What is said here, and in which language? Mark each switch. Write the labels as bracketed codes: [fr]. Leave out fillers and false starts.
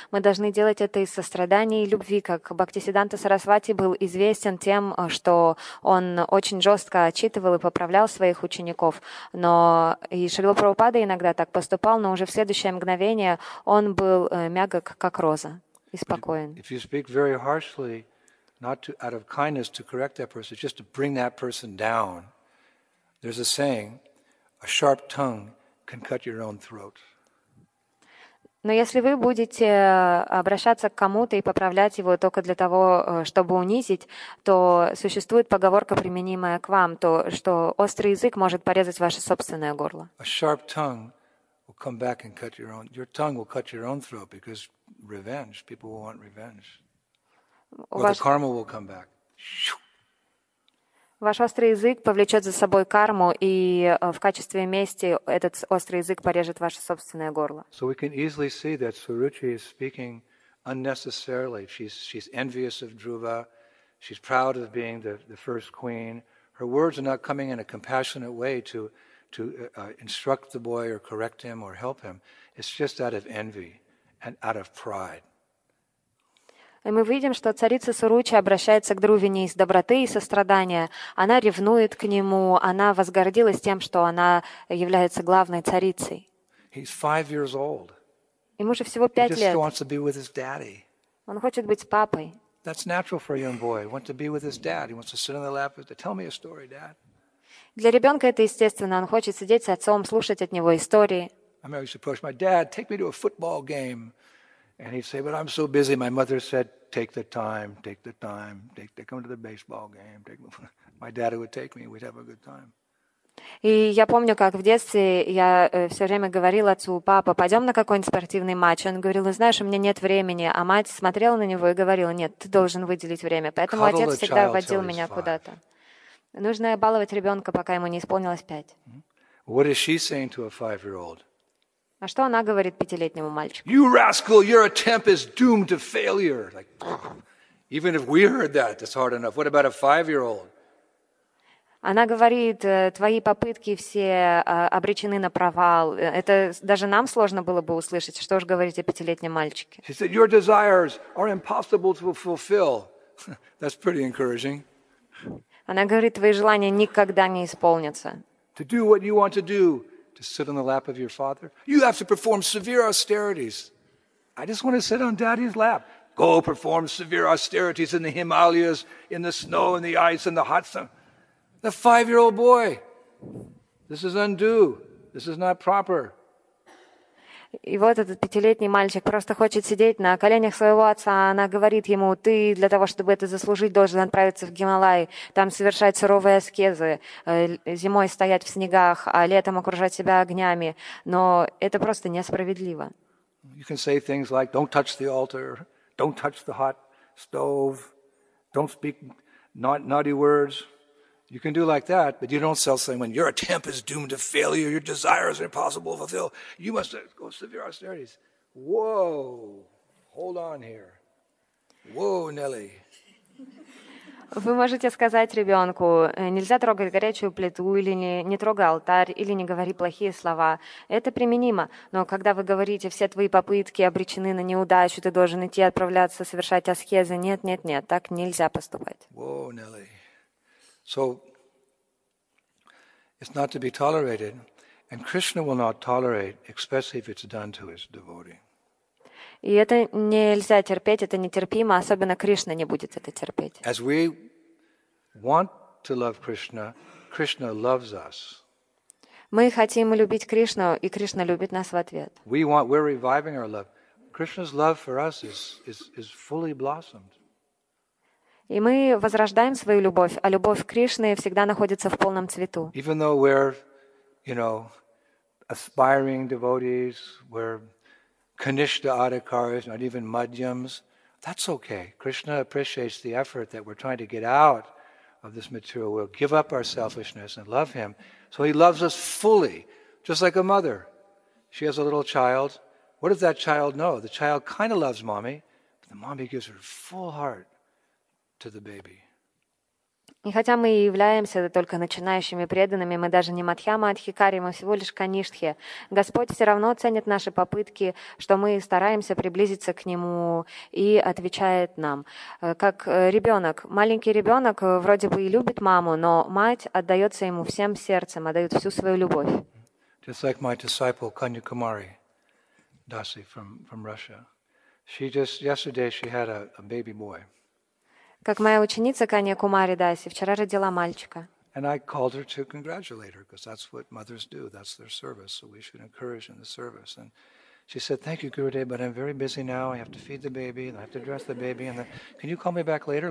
[ru] Мы должны делать это из сострадания и любви, как Бхактисиддханта Сарасвати был известен тем, что он очень жестко отчитывал и поправлял своих учеников. Но и Шрила Прабхупада иногда так поступал, но уже в следующее мгновение он был мягко, как роза, и спокоен. [en] If you speak very harshly, not to, out of kindness to correct that person, just to bring that person down, there's a saying, a sharp tongue can cut your own throat. [ru] Но если вы будете обращаться к кому-то и поправлять его только для того, чтобы унизить, то существует поговорка, применимая к вам, то, что острый язык может порезать ваше собственное горло. [en] A sharp tongue will come back and cut your own. Your tongue will cut your own throat because revenge. People will want revenge. Or the karma will come back. [ru] Ваш острый язык повлечет за собой карму, и в качестве мести этот острый язык порежет ваше собственное горло. [en] So we can easily see that Suruchi is speaking unnecessarily. She's envious of Dhruva. She's proud of being the first queen. Her words are not coming in a compassionate way to instruct the boy or correct him or help him. It's just out of envy and out of pride. [ru] И мы видим, что царица Суручи обращается к Друве не из доброты и сострадания. Она ревнует к нему, она возгордилась тем, что она является главной царицей. [en] He's 5 years old. [ru] Ему же всего 5 лет. [en] He just wants to be with his daddy. [ru] Он хочет быть с папой. [en] That's natural for a young boy. He wants to be with his dad. He wants to sit on the lap of his dad. Tell me a story, dad. [ru] Для ребенка это естественно. Он хочет сидеть с отцом, слушать от него истории. [en] I mean, I used to approach my dad, take me to a football game. And he'd say, but I'm so busy. My mother said, take the time, come to the baseball game. My dad would take me, we'd have a good time. [ru] И я помню, как в детстве я все время говорила отцу: папа, пойдем на какой-нибудь спортивный матч. Он говорил: знаешь, у меня нет времени. А мать смотрела на него и говорила: нет, ты должен выделить время. Поэтому [en] Cuddle [ru] отец всегда водил меня куда-то. Нужно баловать ребенка, пока ему не исполнилось 5. [en] What is she saying to a 5-year-old? [ru] А что она говорит 5-летнему мальчику? [en] You rascal, your attempt is doomed to failure. Like, even if we heard that, that's hard enough. What about a 5-year-old? [ru] Она говорит: твои попытки все обречены на провал. Это даже нам сложно было бы услышать. Что же говорить о 5-летнем мальчике? [en] She said, your desires are impossible to fulfill. That's pretty encouraging. [ru] Она говорит: твои желания никогда не исполнятся. [en] To do what you want to do, to sit on the lap of your father, you have to perform severe austerities. I just want to sit on daddy's lap. Go perform severe austerities in the Himalayas, in the snow, in the ice, in the hot sun. The 5-year-old boy. This is undue. This is not proper. [ru] И вот этот 5-летний мальчик просто хочет сидеть на коленях своего отца, а она говорит ему: ты для того, чтобы это заслужить, должен отправиться в Гималаи, там совершать суровые аскезы, зимой стоять в снегах, а летом окружать себя огнями. Но это просто несправедливо. [en] You can say things like, don't touch the altar, don't touch the hot stove, don't speak naughty words. You can do like that, but you don't sell something when your attempt is doomed to failure, your desires are impossible to fulfill. You must go severe austerities. Whoa, hold on here. Whoa, Nelly. [ru] Вы можете сказать ребенку, нельзя трогать горячую плиту, или не трогай алтарь, или не говори плохие слова. Это применимо. Но когда вы говорите, все твои попытки обречены на неудачу, ты должен идти отправляться, совершать аскезы. Нет, нет, нет, так нельзя поступать. [en] Whoa, Nelly. So, it's not to be tolerated, and Krishna will not tolerate, especially if it's done to his devotee. [ru] И это нельзя терпеть, это нетерпимо, особенно Кришна не будет это терпеть. [en] As we want to love Krishna, Krishna loves us. [ru] Мы хотим любить Кришну, и Кришна любит нас в ответ. [en] We're reviving our love. Krishna's love for us is fully blossomed. [ru] И мы возрождаем свою любовь, а любовь Кришны всегда находится в полном цвету. [en] Even though we're, you know, aspiring devotees, we're Kanishtha Adhikaris, not even Madhyams, that's okay. Krishna appreciates the effort that we're trying to get out of this material world, give up our selfishness and love him. So he loves us fully, just like a mother. She has a little child. What does that child know? The child kind of loves mommy, but the mommy gives her full heart to the baby. [ru] И хотя мы и являемся только начинающими преданными, мы даже не Мадхьяма Адхикари, мы всего лишь Каништхи. Господь все равно ценит наши попытки, что мы стараемся приблизиться к Нему и отвечает нам. Как ребенок. Маленький ребенок вроде бы и любит маму, но мать отдается ему всем сердцем, отдает всю свою любовь. [en] Just like my disciple Kanyakumari Dasi from Russia. She just yesterday she had a baby boy. [ru] Как моя ученица Канья Кумари Даси, вчера родила мальчика. [en] And I called her to congratulate her, because that's what mothers do, that's their service, so we should encourage in the service. And she said, thank you, Gurudev, but I'm very busy now, I have to feed the baby, and I have to dress the baby, and then, can you call me back later?